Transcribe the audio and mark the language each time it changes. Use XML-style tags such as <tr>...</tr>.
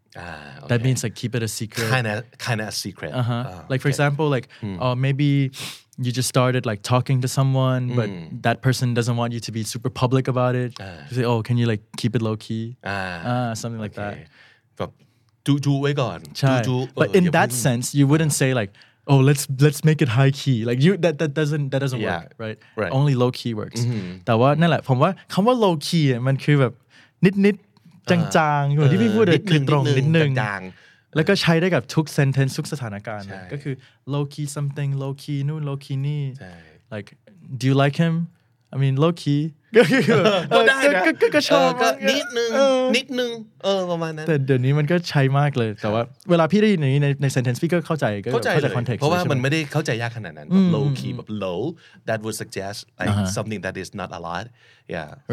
<en>Okay. That means like keep it a secret. Kind of a secret. Uh-huh. Maybe you just started like talking to someone, but that person doesn't want you to be super public about it. You say, oh, can you like keep it low key? Something like that.</en> <th>But จู๊ๆไว้ก่อน</th> <en>ใช่ but in that sense you wouldn't say like oh let's make it high key like you that doesn't work right only low key works</en> <th>แต่ว่านั่นแหละผมว่าคำว่า low key มันคือแบบนิดๆจางๆอยู่ที่พี่พูดคือตรงนิดนึ ง แล้วก็ใช้ได้กับทุก sentence ทุกสถานการณ์ก็คือ low key something low key นู่น low key นี่</th> <en>like do you like him I mean low key</en> <th>ก็ได้นะ ก็ชอบ นิดนึงนิดนึงประมาณนั้ น แต่เดี๋ยวนี้มันก็ใช้มากเลยแต่ว่าเวลาพี่ได้ยินอย่างนี้ใน sentence พี่ก็เข้าใจ context เพราะว่ามันไม่ได้เข้าใจยากขนาดนั้น</th> <en>low key but low that would suggest like something that is not a lot yeah</en>